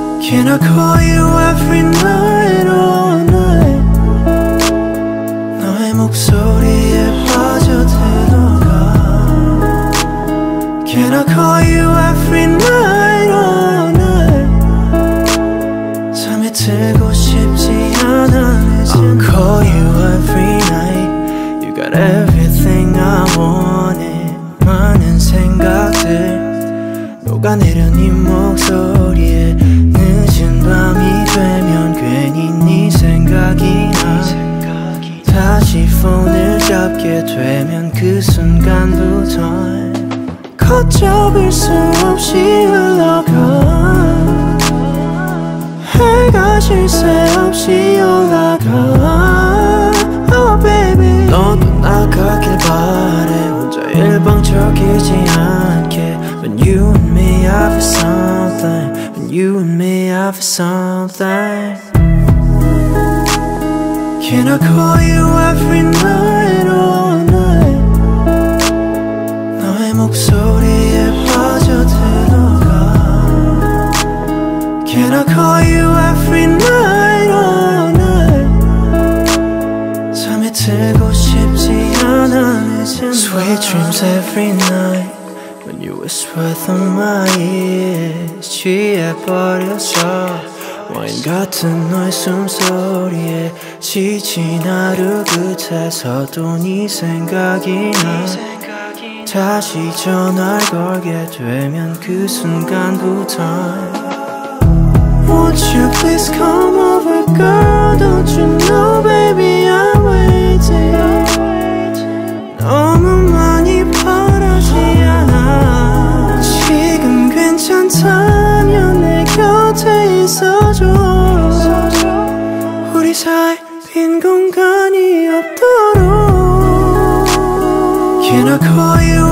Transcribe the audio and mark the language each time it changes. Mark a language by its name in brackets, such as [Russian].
[English] And I call you every night, all night. [Korean] 너의 목소리에 빠져들어 가. [English] Can I call you every night, all night. [Korean] 잠에 들고 싶지 않아. [English] I'll call you every night. You got everything I wanted. [Korean] 많은 생각들 녹아내려 네 목소리에. 늦은 밤이 되면 괜히 네 생각이 나. 다시 폰을 잡게 되면 그 순간부터 걷잡을 수 없이 흘러가. 해가 질 새 없이 올라가. [English] Oh baby, [Korean] 너도 나가길 바래. 혼자 일방적이지 않게. [English] When you and me have for something. When you and me have for something. Can I call you every night, all night. [Korean] 너의 목소리에 빠져들어. [English] Can I call you every night, all night. [Korean] 잠에 들고 싶지 않아. [English] Sweet dreams every night. When you whisper through my ears. [Korean] 취해버렸어. Wine 같은 너의 숨소리에. 지친 하루 끝에서도 네 생각이 나. 다시 전화를 걸게 되면 그 순간부터 [English] Won't you please come over, girl? Don't you know, baby, I'm waiting. [Korean] 너무 많이 바라지 않아. 지금 괜찮다면 내 곁에 있어줘. 우리 사이 빈 공간이 없도록. [English] Can I call you?